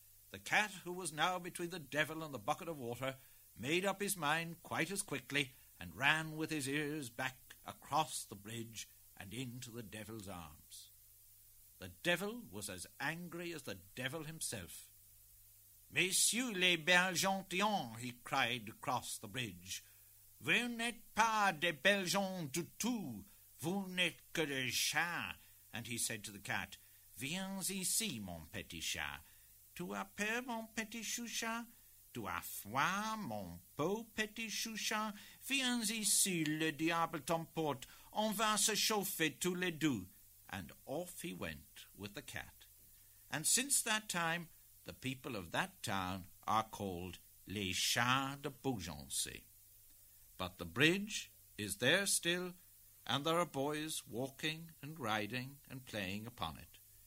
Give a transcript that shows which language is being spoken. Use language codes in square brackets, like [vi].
[en] The cat, who was now between the devil and the bucket of water, made up his mind quite as quickly and ran with his ears back across the bridge and into the devil's arms. The devil was as angry as the devil himself. [fr] "Messieurs les belles gentillons," [en] he cried across the bridge, [fr] "vous n'êtes pas des belles gens du tout, vous n'êtes que des chats." [en] And he said to the cat, [fr] "Viens ici, mon petit chat. Tu as peur, mon petit chouchat? Tu as froid, mon beau petit chouchat? Viens ici, le diable t'emporte. On va se chauffer tous les deux." [en] And off he went with the cat. And since that time, the people of that town are called les chats de Beaugency. But the bridge is there still, and there are boys walking and riding and playing upon it.